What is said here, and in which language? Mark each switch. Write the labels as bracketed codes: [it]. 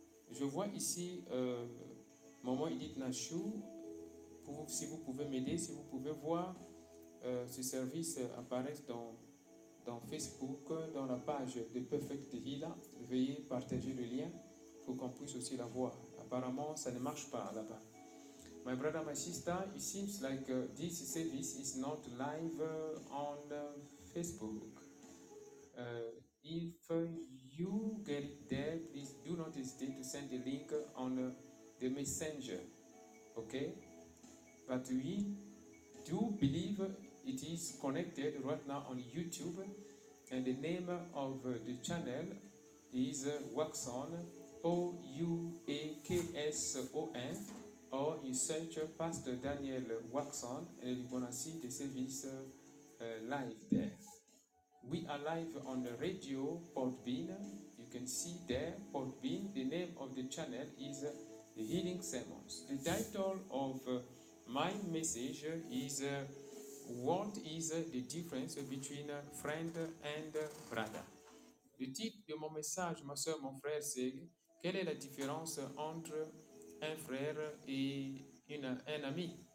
[fr] Je vois ici Maman Edith Nashu, si vous pouvez m'aider, si vous pouvez voir ce service apparaître dans Facebook, dans la page de Perfect Healer. Veuillez partager le lien pour qu'on puisse aussi la voir. Apparemment, ça ne marche pas là-bas. [en] My brother, my sister, it seems like this service is not live on Facebook. If you get it there, please do not hesitate to send the link on the messenger. Okay? But we do believe it is connected right now on YouTube, and the name of the channel is Waxson, O-U-A-K-S-O-N, or you search Pastor Daniel Waxson, and you're gonna see the service live there. We are live on the radio Podbean. You can see there, Podbean. The name of the channel is Healing Sermons. The title of my message is What is the difference between friend and brother? [fr] Le titre de mon message, ma soeur, mon frère, c'est quelle est la différence entre un frère et un ami?